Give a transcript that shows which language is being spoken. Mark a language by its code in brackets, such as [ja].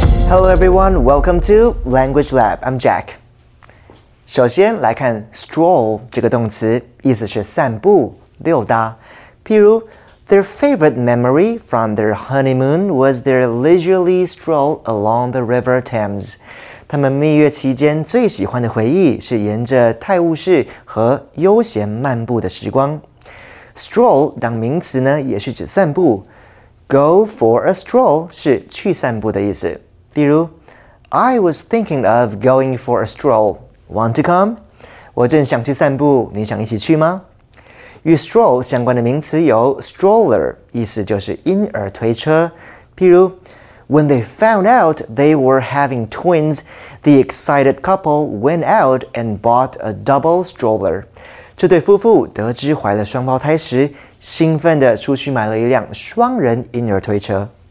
[en] Hello everyone, welcome to Language Lab, I'm Jack. [zh] 首先来看 stroll 这个动词，意思是散步、溜达。譬如 [en] their favorite memory from their honeymoon was their leisurely stroll along the River Thames. [zh] 他们蜜月期间最喜欢的回忆是沿着泰晤士和悠闲漫步的时光。 Stroll 当名词呢，也是指散步。 [en] Go for a stroll [zh] 是去散步的意思。比如 [en] I was thinking of going for a stroll. Want to come? [zh] 我正想去散步，你想一起去吗？与 stroll 相关的名词有 stroller, 意思就是婴儿推车。比如 [en] When they found out they were having twins, the excited couple went out and bought a double stroller. [zh] 这对夫妇得知怀了双胞胎时，兴奋地出去买了一辆双人婴儿推车。